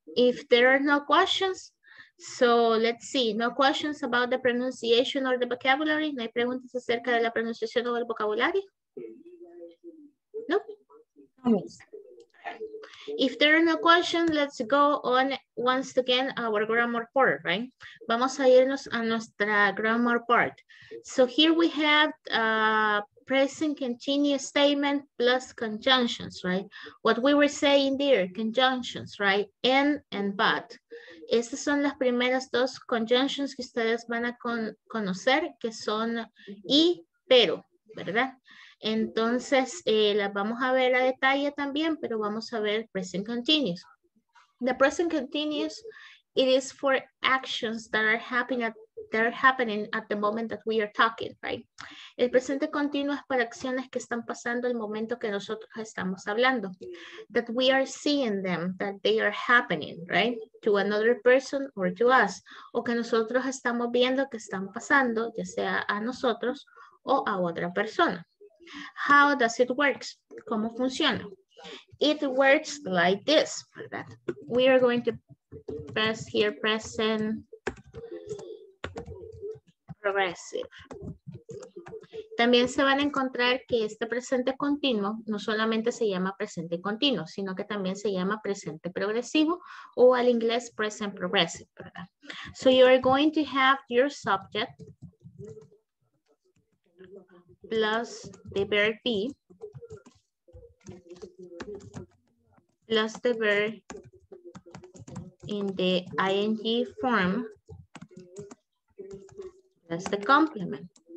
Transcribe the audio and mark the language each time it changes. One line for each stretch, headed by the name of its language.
English: If there are no questions, so let's see. No questions about the pronunciation or the vocabulary.
Spanish: ¿No hay preguntas acerca de la pronunciación o el vocabulario? No.
English: If there are no questions, let's go on once again our grammar part, right?
Spanish: Vamos a irnos a nuestra
English: grammar part. So here we have present continuous statement plus conjunctions, right? What we were saying there, conjunctions, right? And but.
Spanish: Estas son las primeras dos conjunctions que ustedes van a conocer, que son y, pero, ¿verdad? Entonces, las vamos a ver a detalle también, pero vamos a ver present continuous.
English: The present continuous, it is for actions that are happening at the moment that we are talking, right?
Spanish: El presente continuo es para acciones que están pasando el momento que nosotros estamos hablando.
English: That we are seeing them, that they are happening, right? To another person or to us.
Spanish: O que nosotros estamos viendo que están pasando, ya sea a nosotros o a otra persona.
English: How does it work?
Spanish: ¿Cómo funciona?
English: it works like this. We are going to press here, present progressive.
Spanish: También se van a encontrar que este presente continuo no solamente se llama presente continuo, sino que también se llama presente progresivo o al inglés present progressive, ¿verdad?
English: So you are going to have your subject plus the verb be plus the verb in the ing form plus the complement.